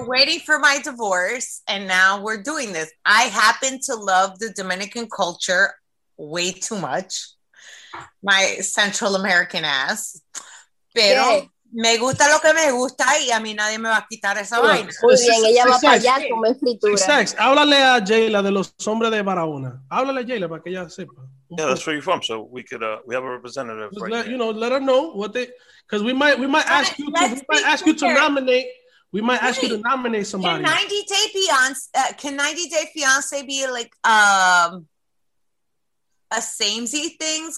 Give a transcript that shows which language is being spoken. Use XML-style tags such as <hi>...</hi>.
<en>We're waiting for my divorce, and now we're doing this. I happen to love the Dominican culture way too much. My Central American ass.</en> <es>Pero me gusta lo que me gusta, y a mí nadie me va a quitar esa vaina. Muy bien, ella va para allá con escritura. Sex, háblale a Jayla de los hombres de Barahona. Háblale a Jayla para que ella sepa.</es> <en>Yeah, that's where you're from, so we could we have a representative. Right, let, you know, let her know what they, because we might ask you to nominate somebody. Can 90 Day Fiance be like a samey things?</en>